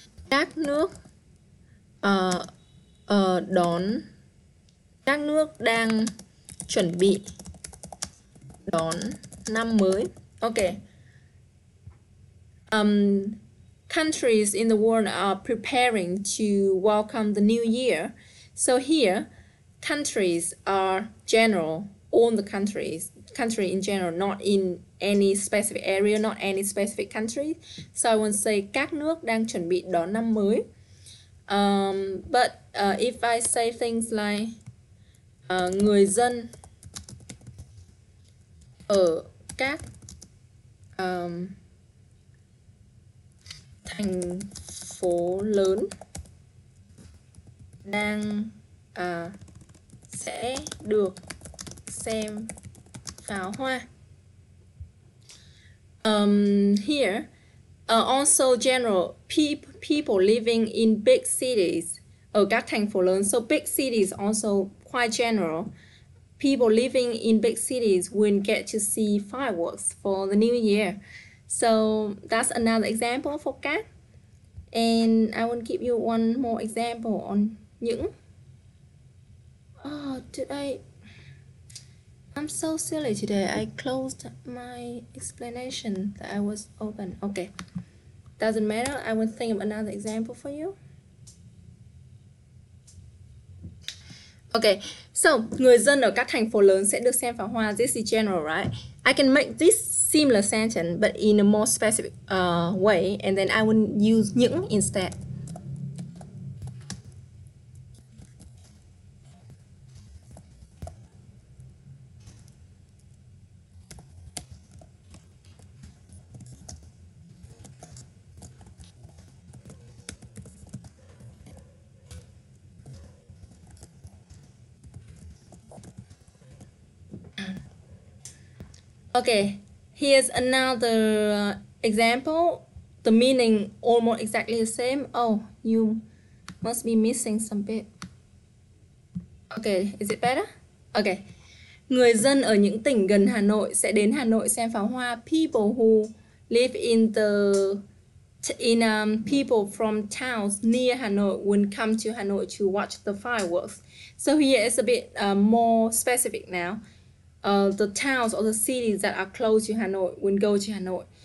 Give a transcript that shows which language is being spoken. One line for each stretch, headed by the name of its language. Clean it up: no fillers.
Vietnamese: Các nước đón, các nước đang chuẩn bị đón năm mới.
English: Okay. Countries in the world are preparing to welcome the new year. So here, countries are general, all the countries, country in general, not in any specific area, not any specific country. So I won't say
Vietnamese: các nước đang chuẩn bị đón năm mới.
English: But if I say things like
Vietnamese: người dân ở các thành phố lớn đang sẽ được xem pháo hoa.
English: Here, also general people living in big cities
Vietnamese: ở các thành phố lớn.
English: So big cities also quite general. People living in big cities will get to see fireworks for the new year. So that's another example for các. And I will give you one more example on những. Oh, did I? I'm so silly today. I closed my explanation that I was open. Okay. Doesn't matter. I will think of another example for you. Okay.
Vietnamese: So, người dân ở các thành phố lớn sẽ được xem pháo hoa.
English: This is general, right? I can make this similar sentence but in a more specific way, and then I will use những instead. Okay, here's another example. The meaning almost exactly the same. Oh, you must be missing some bit. Okay, is it better? Okay.
Vietnamese: Người dân ở những tỉnh gần Hà Nội sẽ đến Hà Nội xem pháo hoa.
English: People who live in the in people from towns near Hanoi will come to Hanoi to watch the fireworks. So here it's a bit more specific now. The towns or the cities that are close to Hanoi will go to Hanoi.